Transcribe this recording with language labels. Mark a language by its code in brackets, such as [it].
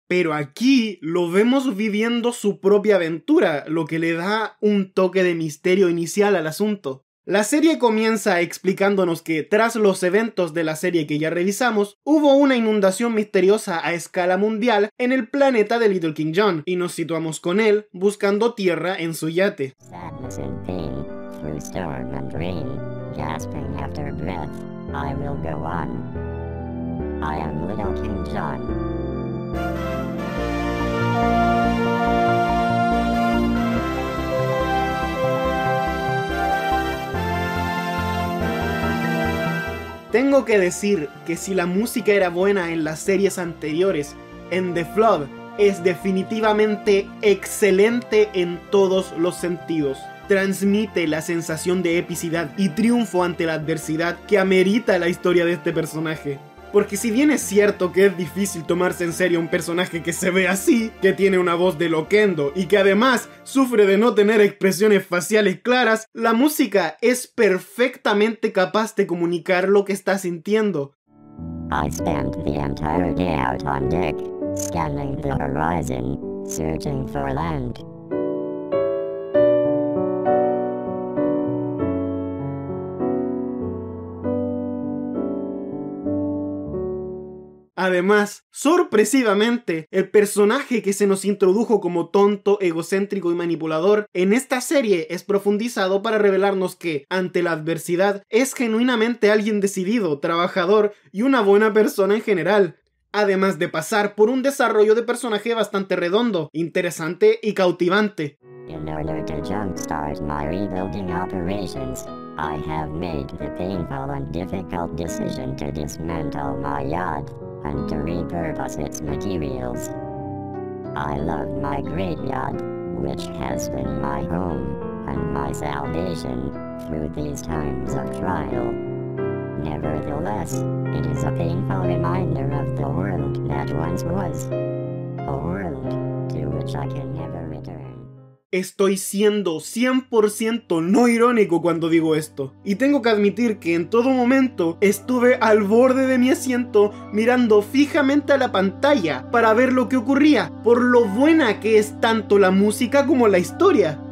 [es] Pero aquí lo vemos viviendo su propia aventura, lo que le da un toque de misterio inicial al asunto. La serie comienza explicándonos que, tras los eventos de la serie que ya revisamos, hubo una inundación misteriosa a escala mundial en el planeta de Little King John, y nos situamos con él buscando tierra en su yate. [en] Sadness and pain, through storm and rain, gasping after breath, I will go on. I am Little King John. [es] Tengo que decir que si la música era buena en las series anteriores, en The Flood es definitivamente excelente en todos los sentidos. Transmite la sensación de epicidad y triunfo ante la adversidad que amerita la historia de este personaje. Porque si bien es cierto que es difícil tomarse en serio un personaje que se ve así, que tiene una voz de loquendo y que además sufre de no tener expresiones faciales claras, la música es perfectamente capaz de comunicar lo que está sintiendo. [en] I spent the entire day out on deck, scanning the horizon, searching for land. [es] Además, sorpresivamente, el personaje que se nos introdujo como tonto, egocéntrico y manipulador en esta serie es profundizado para revelarnos que, ante la adversidad, es genuinamente alguien decidido, trabajador y una buena persona en general. Además de pasar por un desarrollo de personaje bastante redondo, interesante y cautivante. [en] In order to jumpstart my rebuilding operations, I have made the painful and difficult decision to dismantle my yacht. And to repurpose its materials. I love my graveyard, which has been my home and my salvation through these times of trial. Nevertheless, it is a painful reminder of the world that once was, a world to which I can never return. [es] Estoy siendo 100% no irónico cuando digo esto. Y tengo que admitir que en todo momento estuve al borde de mi asiento mirando fijamente a la pantalla para ver lo que ocurría, por lo buena que es tanto la música como la historia.